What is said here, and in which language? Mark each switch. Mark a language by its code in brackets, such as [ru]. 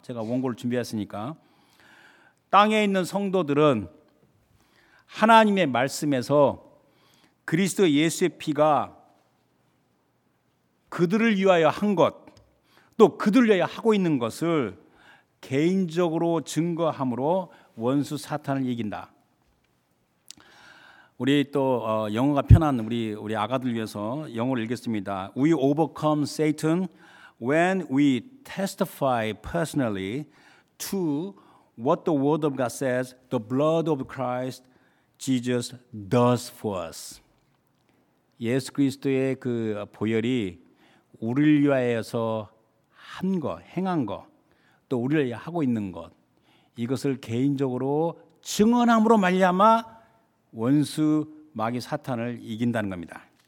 [ko] 제가 원고를 준비했으니까. 땅에 있는 성도들은 하나님의 말씀에서 그리스도 예수의 피가 그들을 위하여 한 것, 또 그들을 위하여 하고 있는 것을 개인적으로 증거함으로 원수 사탄을 이긴다. 우리 또 영어가 편한 우리 아가들 위해서 영어를 읽겠습니다. [en] We overcome Satan when we testify personally to what the word of God says, the blood of Christ Jesus does for us. [ko] 예수 그리스도의 그 보혈이 우리를 위하여서 한 것, 행한 것, 또 우리를 위하여 하고 있는 것, 이것을 개인적으로 증언함으로 말미암아 원수 마귀 사탄을 이긴다는 겁니다.